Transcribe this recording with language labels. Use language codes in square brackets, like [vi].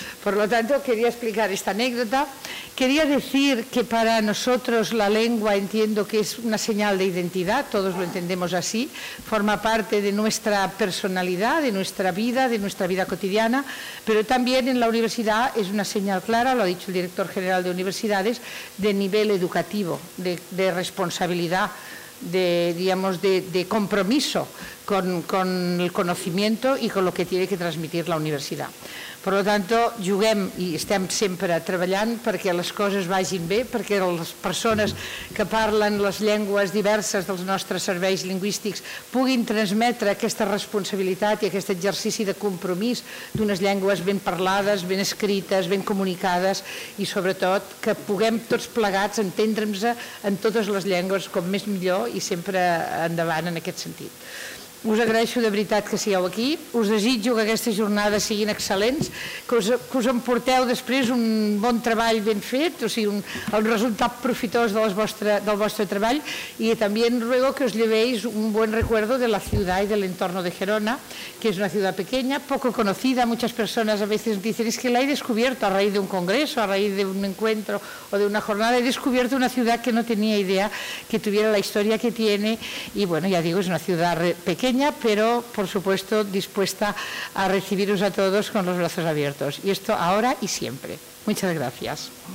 [es] Por lo tanto, quería explicar esta anécdota. Quería decir que para nosotros la lengua entiendo que es una señal de identidad, todos lo entendemos así, forma parte de nuestra personalidad, de nuestra vida cotidiana, pero también en la universidad es una señal clara, lo ha dicho el director general de universidades, de nivel educativo, de responsabilidad, de compromiso con el conocimiento y con lo que tiene que transmitir la universidad. Por lo tanto, [ca] juguem i estem sempre treballant perquè les coses vagin bé, perquè les persones que parlen les llengües diverses dels nostres serveis lingüístics puguin transmetre aquesta responsabilitat i aquest exercici de compromís d'unes llengües ben parlades, ben escrites, ben comunicades, i sobretot que puguem tots plegats entendre'ns en totes les llengües com més millor i sempre endavant en aquest sentit. Us agraeixo de veritat que sigueu aquí, us desitjo que aquestes jornades siguin excel·lents, que us emporteu després un bon treball ben fet, o sigui, un resultat profitós del vostre treball, i també ruego que us llevéis un bon recuerdo de la ciutat i de l'entorn de Gerona, que és una ciutat [es] pequeña, poco conocida, muchas personas a veces dicen es que la he descubierto a raíz de un congreso, a raíz de un encuentro o de una jornada, he descubierto una ciudad que no tenía idea que tuviera la historia que tiene, y bueno, ya digo, es una ciudad pequeña, pero por supuesto dispuesta a recibiros a todos con los brazos abiertos, y esto ahora y siempre. Muchas gracias.